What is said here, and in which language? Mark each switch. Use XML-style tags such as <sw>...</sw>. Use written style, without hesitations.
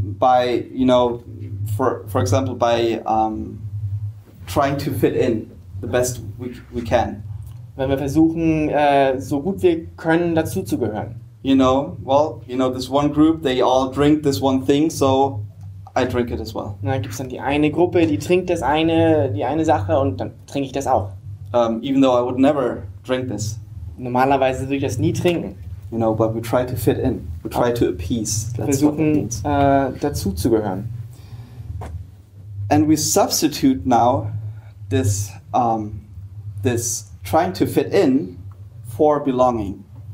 <en>By, you know, for example, by trying to fit in the best we can.</en> <de>Wenn wir versuchen, so gut wir können, dazuzugehören.</de> <en>You know, well, you know, this one group, they all drink this one thing, so... I drink it as well.</en> <de>Dann gibt's dann die eine Gruppe, die trinkt das eine, die eine Sache und dann trinke ich das auch.</de> <en>Even though I would never drink this.</en> <de>Normalerweise würde ich das nie trinken.</de> <en>You know, but we try to fit in. We try to appease.</en> <de>Wir versuchen dazu zu gehören.</de> <en>And we substitute now this this trying to fit in for belonging.</en>